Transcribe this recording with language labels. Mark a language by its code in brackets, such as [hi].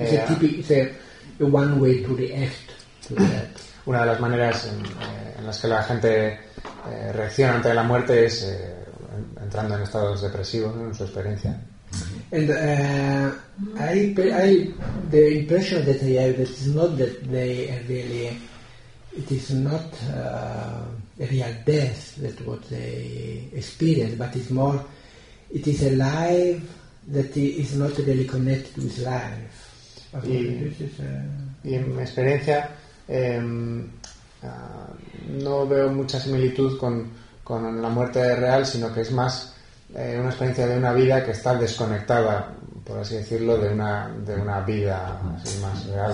[en] It's a typical, it's a one way to react to that. [es] Una de las maneras en las que la gente reacciona ante la muerte es entrando en estados depresivos, ¿no? En su experiencia. [en] And I the impression that I have that is not that they are really, it is not a real death that what they experience, but it's more, it is a life that is not really connected with life. [es] Y en mi experiencia no veo mucha similitud con la muerte real, sino que es más una experiencia de una vida que está desconectada, por así decirlo, de una vida así más real.